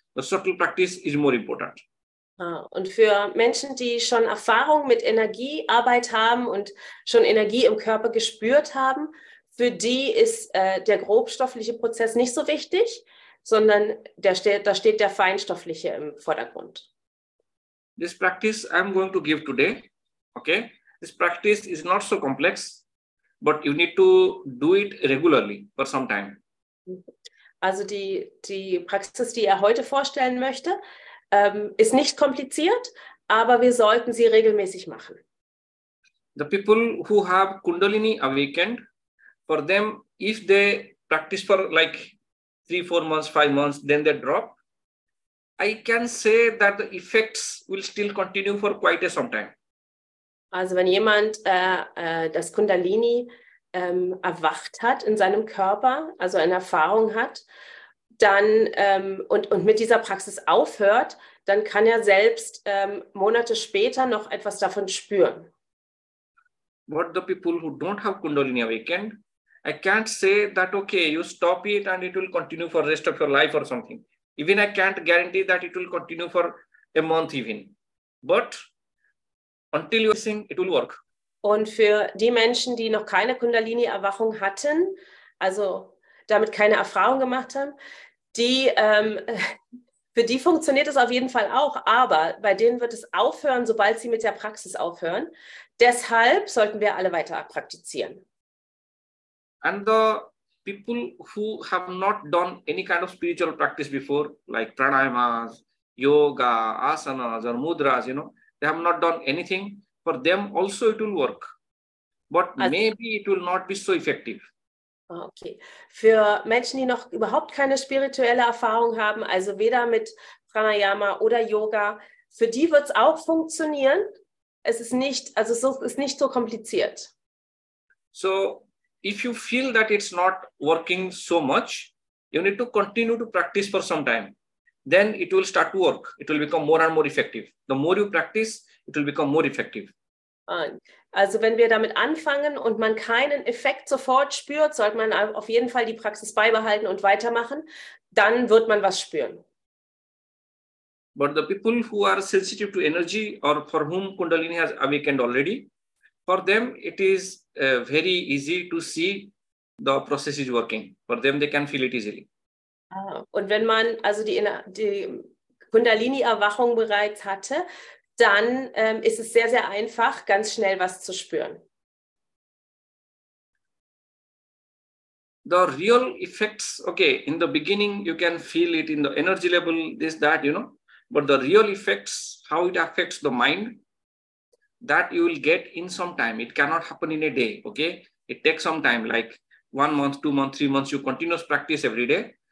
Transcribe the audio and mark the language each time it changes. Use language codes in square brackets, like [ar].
[en] The subtle practice is more important. [de] Und für Menschen, die schon Erfahrung mit Energiearbeit haben und schon Energie im Körper gespürt haben, für die ist der grobstoffliche Prozess nicht so wichtig, sondern da steht der feinstoffliche im Vordergrund. [en] This practice I'm going to give today, okay? This practice is not so complex, but you need to do it regularly for some time. [de] Also die Praxis, die er heute vorstellen möchte, ist nicht kompliziert, aber wir sollten sie regelmäßig machen. [en] The people who have Kundalini awakened, for them, if they practice for like 3, 4 months, 5 months, then they drop. I can say that the effects will still continue for quite a some time. [de] Also wenn jemand das Kundalini erwacht hat in seinem Körper, also eine Erfahrung hat, dann und mit dieser Praxis aufhört, dann kann er selbst Monate später noch etwas davon spüren. [en] What the people who don't have Kundalini awakened, I can't say that okay, you stop it and it will continue for the rest of your life or something. Even I can't guarantee that it will continue for a month even. But until you think it will work. [de] Und für die Menschen, die noch keine Kundalini-Erwachung hatten, also damit keine Erfahrung gemacht haben, für die funktioniert es auf jeden Fall auch, aber bei denen wird es aufhören, sobald sie mit der Praxis aufhören. Deshalb sollten wir alle weiter praktizieren. [en] And the people who have not done any kind of spiritual practice before, like pranayamas, yoga, asanas or mudras, you know, they have not done anything. For them also it will work, but maybe it will not be so effective. Okay. [de] Für Menschen, die noch überhaupt keine spirituelle Erfahrung haben, also weder mit Pranayama oder Yoga, für die wird es auch funktionieren. Es ist nicht so kompliziert. [en] So if you feel that it's not working so much, you need to continue to practice for some time. Then it will start to work. It will become more and more effective. The more you practice, it will become more effective. [de] Also wenn wir damit anfangen und man keinen Effekt sofort spürt, sollte man auf jeden Fall die Praxis beibehalten und weitermachen. Dann wird man was spüren. [en] But the people who are sensitive to energy or for whom Kundalini has awakened already, for them it is very easy to see the process is working. For them they can feel it easily. [de] Und wenn man also die Kundalini-Erwachung bereits hatte, dann ist es sehr, sehr einfach, ganz schnell was zu spüren. [en] The real effects, okay, in the beginning you can feel it in the energy level, this, that, you know. But the real effects, how it affects the mind, that you will get in some time. It cannot happen in a day, okay. It takes some time, like 1 month, 2 months, 3 months, you continuous practice every day.